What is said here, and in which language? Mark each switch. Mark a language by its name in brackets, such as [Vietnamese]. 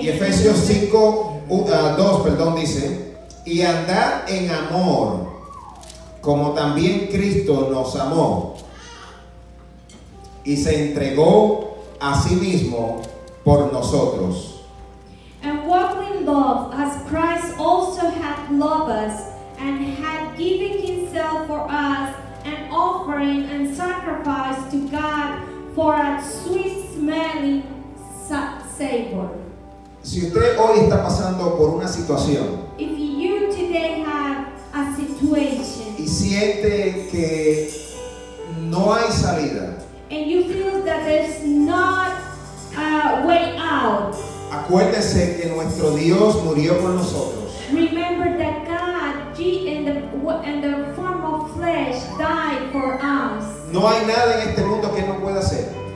[Spanish] Y Efesios 5:2 dice, y andad en amor como también Cristo nos amó y se entregó a sí mismo por nosotros. [English] And walk in love as Christ also hath loved us and had given himself for us an offering and sacrifice to God for a sweet smelling savor. [Spanish] Si usted hoy está pasando por una situación, [English] if you today have a situation, [Spanish] y siente que no hay salida, [English] and you feel that there's not a way out, [Spanish] acuérdese que nuestro Dios murió por nosotros. [English] Remember that in the form of flesh died for us. [Spanish] No hay nada en este mundo que no pueda hacer.